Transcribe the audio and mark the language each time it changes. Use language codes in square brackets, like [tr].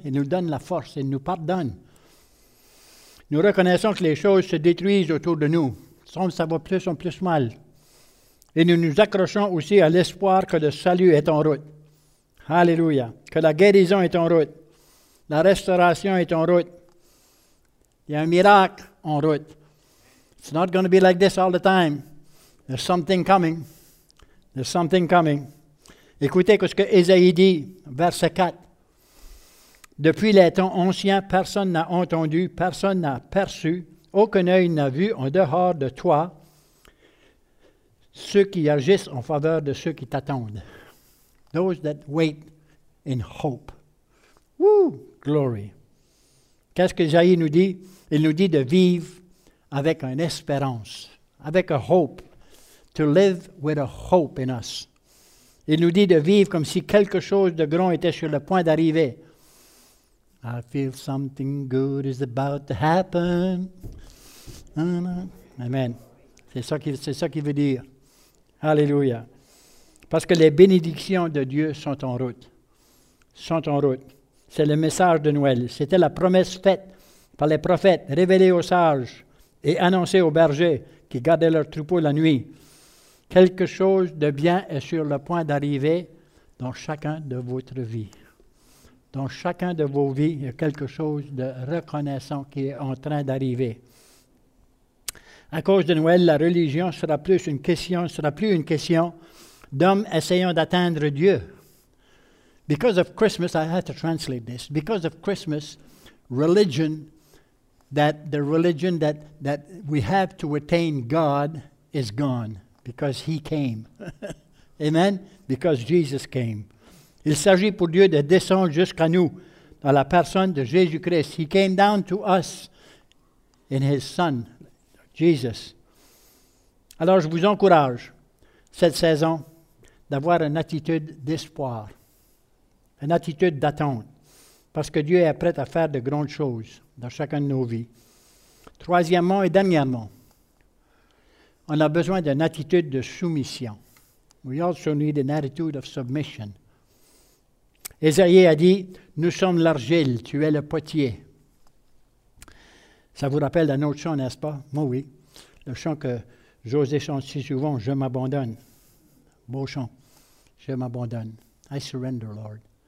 [fr] Il nous donne la force, il nous pardonne. Nous reconnaissons que les choses se détruisent autour de nous. Sans ça va plus en plus mal. Et nous nous accrochons aussi à l'espoir que le salut est en route. Alléluia. Que la guérison est en route. La restauration est en route. Il y a un miracle en route. [en] It's not going to be like this all the time. There's something coming. There's something coming. [fr] Écoutez ce que Ésaïe dit, verset 4. Depuis les temps anciens, personne n'a entendu, personne n'a perçu, aucun œil n'a vu en dehors de toi. Ceux qui agissent en faveur de ceux qui t'attendent. [en] Those that wait in hope. Woo! Glory. [fr] Qu'est-ce que Jaïe nous dit? Il nous dit de vivre avec une espérance, avec [en] a hope. To live with a hope in us. [fr] Il nous dit de vivre comme si quelque chose de grand était sur le point d'arriver. [en] I feel something good is about to happen. [fr] Amen. C'est ça qu'il veut dire. Alléluia. Parce que les bénédictions de Dieu sont en route. Sont en route. C'est le message de Noël. C'était la promesse faite par les prophètes, révélée aux sages et annoncée aux bergers qui gardaient leurs troupeaux la nuit. Quelque chose de bien est sur le point d'arriver dans chacun de votre vie. Dans chacun de vos vies, il y a quelque chose de reconnaissant qui est en train d'arriver. À cause de Noël, la religion sera plus une question, sera plus une question d'hommes essayant d'atteindre Dieu. [en] Because of Christmas, I have to translate this. Because of Christmas, religion, that the religion that we have to attain God is gone because He came. Amen. Because Jesus came. [fr] Il s'agit pour Dieu de descendre jusqu'à nous dans la personne de Jésus-Christ. [en] He came down to us in His Son. Jesus. [fr] Alors, je vous encourage cette saison d'avoir une attitude d'espoir, une attitude d'attente, parce que Dieu est prêt à faire de grandes choses dans chacun de nos vies. Troisièmement et dernièrement, on a besoin d'une attitude de soumission. [en] We also need an attitude of submission. [fr] Ésaïe a dit, « Nous sommes l'argile, tu es le potier. » Ça vous rappelle un autre chant, n'est-ce pas? Moi, oui. Le chant que José chante si souvent, « Je m'abandonne ». Beau chant. « Je m'abandonne ». « [en] I surrender, Lord.